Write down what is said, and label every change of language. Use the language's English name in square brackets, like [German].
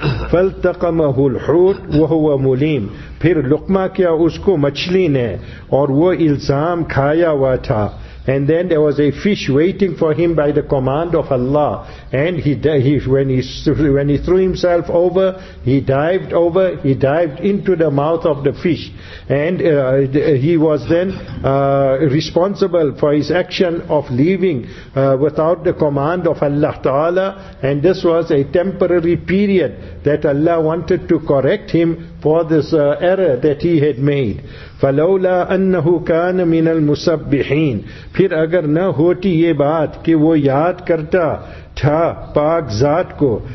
[Arabic] فَالْتَقَمَهُ الْحُوتُ وَهُوَ مُلِيمٌ [Urdu] پھر لُقْمَا کیا اس کو مچھلی نے اور وہ الزام کھایا ہوا تھا. [English] And then there was a fish waiting for him by the command of Allah. And when he threw himself over, he dived over, he dived into the mouth of the fish. And he was then responsible for his action of leaving without the command of Allah Ta'ala. And this was a temporary period that Allah wanted to correct him for this error that he had made. [Arabic] فَلَوْلَا أَنَّهُ كَانَ مِنَ الْمُسَبِّحِينَ [Urdu] پھر اگر نہ ہوتی یہ بات کہ وہ یاد کرتا تھا پاک ذات کو.